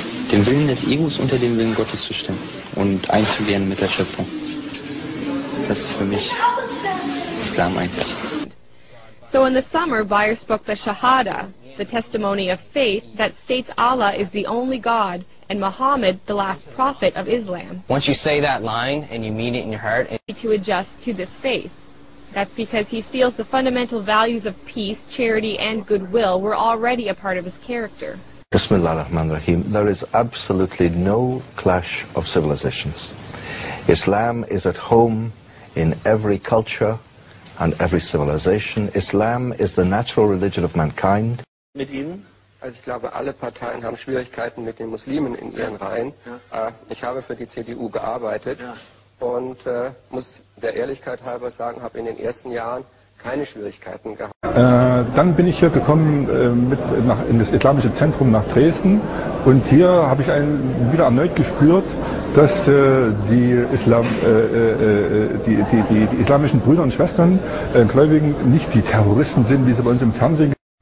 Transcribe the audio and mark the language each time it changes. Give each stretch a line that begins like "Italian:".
German: Dem Willen des Egos unter dem Willen Gottes zu stellen und eins zu werden mit der Schöpfung. Das ist für mich Islam eigentlich.
English: So in the summer, Bayer spoke the Shahada, the testimony of faith that states Allah is the only God and Muhammad the last prophet of Islam. Once you say that line and you mean it in your heart, you need to adjust to this faith. That's because he feels the fundamental values of peace, charity, and goodwill were already a part of his character.
Arabic: Bismillah ar-Rahman ar-Rahim.
English: There is absolutely no clash of civilizations. Islam is at home in every culture and every civilization. Islam is the natural religion of mankind.
German: Mit Ihnen? Also ich glaube, alle Parteien haben Schwierigkeiten mit den Muslimen in ihren Reihen. Ja. Ich habe für die CDU gearbeitet, ja. Und muss der Ehrlichkeit halber sagen, habe in den ersten Jahren keine Schwierigkeiten gehabt. Dann bin ich hier gekommen in das islamische Zentrum nach Dresden und hier habe ich wieder erneut gespürt, dass die islamischen Brüder und Schwestern, Gläubigen, nicht die Terroristen sind, wie sie bei uns im Fernsehen.